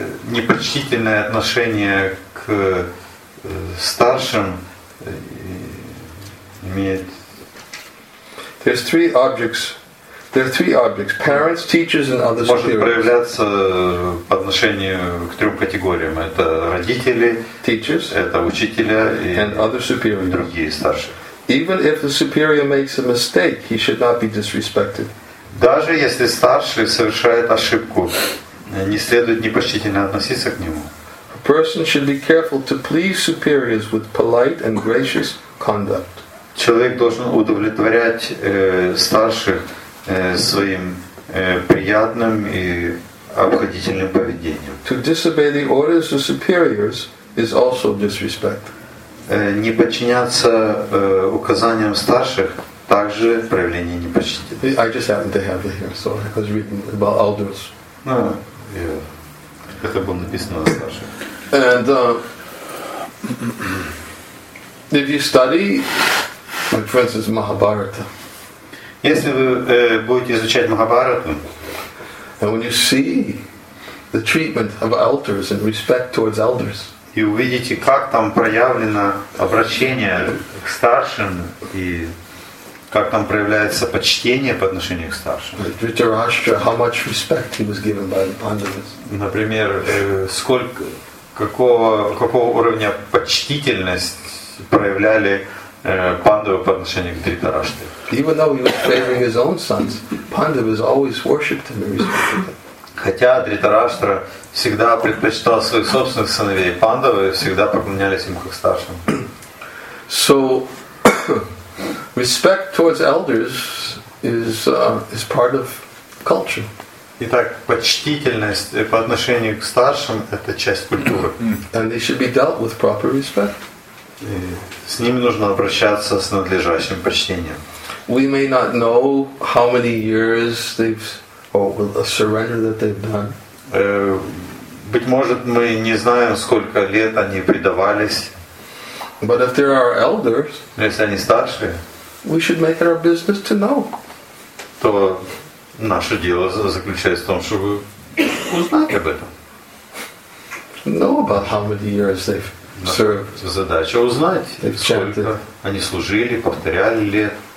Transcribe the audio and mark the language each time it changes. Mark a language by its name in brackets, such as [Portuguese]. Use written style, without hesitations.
[Russian] Непочтительное отношение к старшим имеет. [English] There's three objects. There are three objects: parents, teachers, and other superiors. [Russian] Может проявляться по отношению к трем категориям: это родители, [English] teachers, [Russian] это учителя и [English] and other superiors. [Russian] Другие старшие. [English] Even if the superior makes a mistake, he should not be disrespected. [Russian] Даже если старший совершает ошибку, не следует непочтительно относиться к нему. [English] A person should be careful to please superiors with polite and gracious conduct. [Russian] Человек должен удовлетворять старших своим приятным и обходительным поведением. [English] To disobey the orders of superiors is also disrespect. [Russian] Не подчиняться указаниям старших также проявление непочтительности. [English] I just happened to have it here, so it was written about elders. [Russian] Ну, это было написано о старших. [English] And if you study, like for instance, Mahabharata. [Russian] Если вы будете изучать Махабхарату, [English] and when you see the treatment of elders and respect towards elders, [Russian] и увидите, как там проявлено обращение к старшим и как там проявляется почтение по отношению к старшим. [English] Dhritarashtra, how much respect he was given by the Pandavas. [Russian] Например, сколько, какого уровня почтительность проявляли Пандавы по отношению к Дхритараштре. [English] Even though he was favoring his own sons, Pandavas always worshipped him and respected him. [Russian] Хотя Дхритараштра всегда предпочитал своих собственных сыновей, Пандавы всегда поклонялись ему как старшим. [English] So respect towards elders is part of culture. [Russian] Итак, почтительность по отношению к старшим — это часть культуры. [English] And they should be dealt with proper respect. [Russian] С ними нужно обращаться с надлежащим почтением. [English] We may not know how many years they've or the surrender that they've done. [Russian] Быть может, мы не знаем, сколько лет они предавались. [English] But if there are elders, [Russian] если они старшие, [English] we should make it our business to know. [Russian] То наше дело заключается в том, чтобы узнать об этом. [English] Know about how many years they've served. [Russian] Задача узнать, [English] they've [Russian] сколько [English] chanted. [Russian] Они служили, повторяли ли.